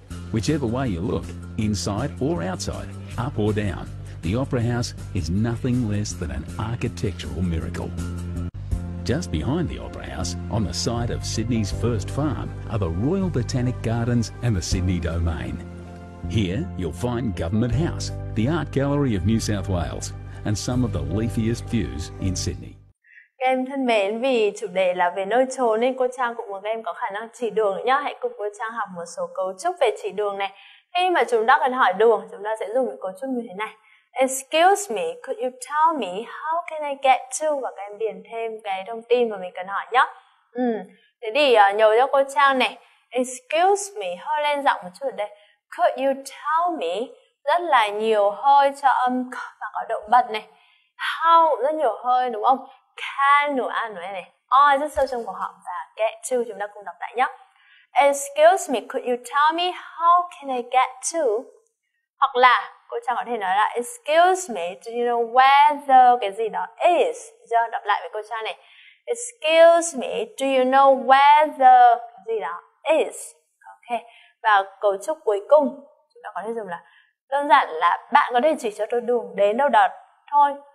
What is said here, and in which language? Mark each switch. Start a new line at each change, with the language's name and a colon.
English: Whichever way you look, inside or outside, up or down, the Opera House is nothing less than an architectural miracle. Just behind the Opera House, on the site of Sydney's first farm, are the Royal Botanic Gardens and the Sydney Domain. Here, you'll find Government House, the Art Gallery of New South Wales, and some of the leafiest views in Sydney.
Vietnamese: Các em thân mến, vì chủ đề là về nơi chốn nên cô Trang cũng muốn các em có khả năng chỉ đường nhá. Hãy cùng cô Trang học một số cấu trúc về chỉ đường này. Khi mà chúng ta cần hỏi đường, chúng ta sẽ dùng những cấu trúc như thế này.
English: Excuse me, could you tell me how can I get to?
Vietnamese: Và các em điền thêm cái thông tin mà mình cần hỏi nhá. Thế thì nhớ cho cô Trang này.
English: Excuse me,
Vietnamese: hơi lên giọng một chút ở đây.
English: Could you tell me?
Vietnamese: Rất là nhiều hơi cho âm và có độ bật này. How, rất nhiều hơi đúng không? Can nữa, an nữa này. I rất sâu trong cổ họng và get to chúng ta cùng đọc lại nhé.
English: Excuse me, could you tell me how can I get to?
Vietnamese: Hoặc là cô Trang có thể nói là
English: excuse me, do you know where the
Vietnamese: cái gì đó is? Giờ đọc lại với cô Trang này.
English: Excuse me, do you know where the
Vietnamese: cái gì đó is? Ok. Và cấu trúc cuối cùng chúng ta có thể dùng là đơn giản là bạn có thể chỉ cho tôi đường đến đâu đó thôi.